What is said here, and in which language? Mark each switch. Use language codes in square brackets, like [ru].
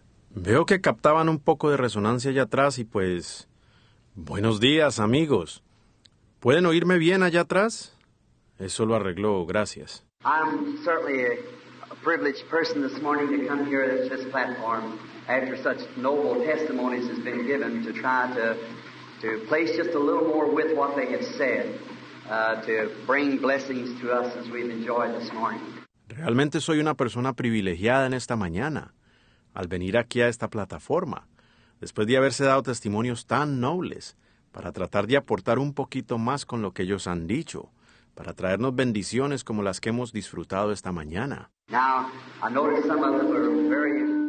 [es] Veo que captaban un poco de resonancia allá atrás y pues... Buenos días, amigos. ¿Pueden oírme bien allá atrás? Eso lo arregló, gracias. [en] I'm certainly a privileged person this morning to come here at this platform after such noble testimonies has been given to try to place just a little more with what they have said to bring blessings to us as we've enjoyed this morning. [es] Realmente soy una persona privilegiada en esta mañana, al venir aquí a esta plataforma, después de haberse dado testimonios tan nobles, para tratar de aportar un poquito más con lo que ellos han dicho, para traernos bendiciones como las que hemos disfrutado esta mañana. [en] Now, I noticed some of them are very...